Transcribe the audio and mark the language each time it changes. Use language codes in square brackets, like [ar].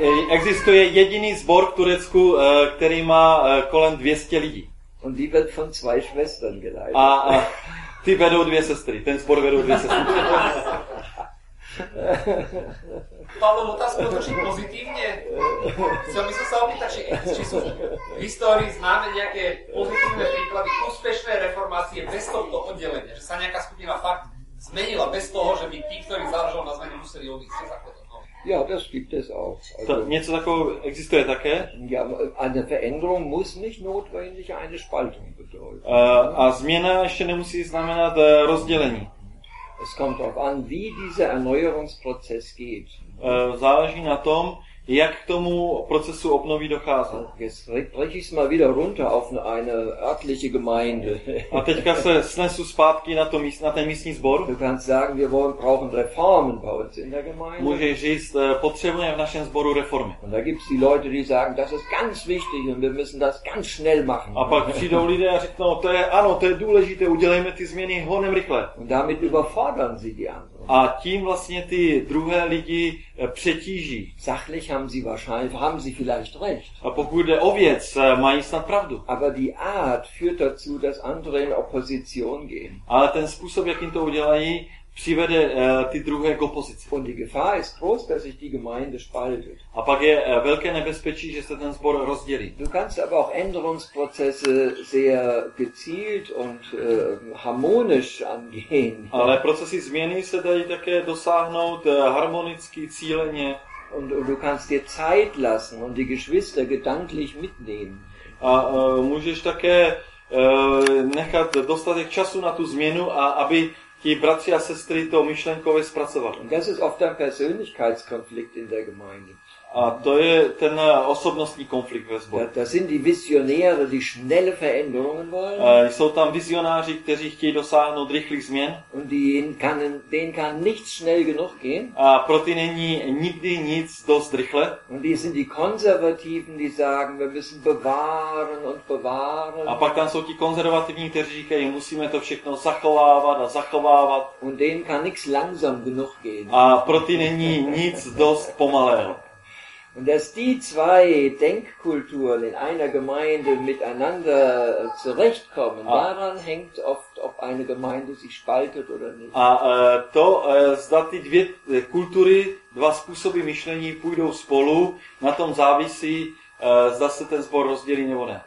[cs] Existuje jediný zbor v Turecku, který má kolem 200 lidí. [de] Und die wird von zwei Schwestern geleitet. [cs] A ty vedou dvě sestry. Ten zbor vedou dvě sestry. Pavel, otázku otočit pozitivně. [sk] Chcel by som sa opýtať, či sú v histórii známe nejaké pozitívne príklady úspešnej reformácie bez tohto oddelenia, že sa nejaká skupina fakt zmenila bez toho, že by tí, ktorí založili na zmenu, museli odísť za to. [de] Ja, das gibt es auch. [cs] Also, něco takového existuje také? [de] Ja, eine Veränderung muss nicht notwendig eine Spaltung bedeuten. [sk] A zmena ešte nemusí znamenat rozdelenie. [de] Es kommt darauf an, wie dieser Erneuerungsprozess geht. [cs] Záleží na tom, jak k tomu procesu obnovy dochází. [de] Jetzt ich mal wieder runter auf eine örtliche Gemeinde. [cs] A teďka se snesu zpátky na, to míst, na ten místní sbor. [de] Du kannst sagen, wir wollen, brauchen Reformen bei uns in der Gemeinde. [cs] Můžeš říct, potřebujeme v našem sboru reformy. [de] Und da gibt's die Leute, die sagen, das ist ganz wichtig und wir müssen das ganz schnell machen. [cs] A pak přijdou lidé a řeknou, to je, ano, to je důležité, udělejme ty změny honem rychle. [de] Und damit überfordern sie die anderen. [cs] A tím vlastně ty druhé lidi přetíží. [de] Sachlich haben sie vielleicht recht. [cs] A pokud jde o věc, mají snad pravdu. [de] Aber die Art führt dazu, dass andere in Opposition gehen. [cs] Ale ten způsob, jak jim to udělají, přivede ty druhé k opozici. [de] Und die Gefahr ist groß, dass sich die Gemeinde spaltet. [cs] A pak je velké nebezpečí, že se ten sbor rozdělí. [de] Du kannst aber auch Änderungsprozesse sehr gezielt und harmonisch angehen. [cs] Ale procesy změny se dají také dosáhnout harmonicky, cíleně. [de] Und du kannst dir Zeit lassen und die Geschwister gedanklich mitnehmen. [cs] A můžeš také nechat dostatek času na tu změnu, a aby ti bratři a sestry to myšlenkově zpracovali. [de] Und das ist oft ein Persönlichkeitskonflikt in der Gemeinde. [cs] A to je ten osobnostní konflikt ve sboru. [de] Das sind die Visionäre, die schnelle Veränderungen wollen. [cs] Jsou tam vizionáři, kteří chtějí dosáhnout rychlých změn. [de] Und denen kann nichts schnell genug gehen. [cs] A pro ty není nikdy nic dost rychle. [de] Und die sind die Konservativen, die sagen, wir müssen bewahren und bewahren. [cs] A pak tam jsou ti konzervativní, kteří říkají, musíme to všechno zachovávat a zachovávat. [de] Und denen kann nichts langsam genug gehen. [cs] A pro ty není nic dost pomalého. [de] Und dass die zwei Denkkulturen in einer Gemeinde miteinander zurechtkommen, daran hängt oft, ob eine Gemeinde sich spaltet oder nicht. [cs] A to, zda ty dvě kultury, dva způsoby myšlení půjdou spolu, na tom závisí, zda se ten zbor rozdělí nebo ne.